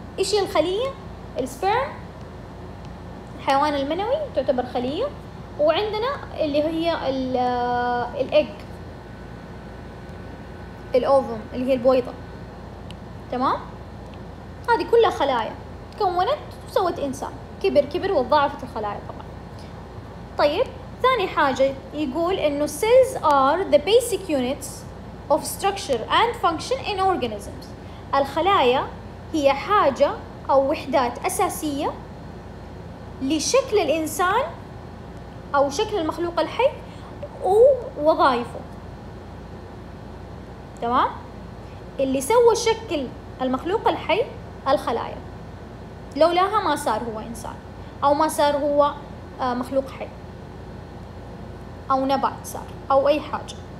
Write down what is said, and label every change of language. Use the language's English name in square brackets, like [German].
[Arabic] إيش هي الخلية؟ السبرم، الحيوان المنوي تعتبر خلية، وعندنا اللي هي الإيج، الأوفوم اللي هي البويضة. تمام؟ هذه كلها خلايا تكونت وسوت إنسان، كبر وضعفت الخلايا طبعا. طيب ثاني حاجة يقول إنه [English] cells are the basic units of structure and function in organisms. [Arabic] الخلايا هي حاجة أو وحدات أساسية لشكل الإنسان أو شكل المخلوق الحي ووظائفه. تمام؟ اللي سوى شكل المخلوق الحي الخلايا، لولاها ما صار هو إنسان أو ما صار هو مخلوق حي أو نبات صار أو أي حاجة.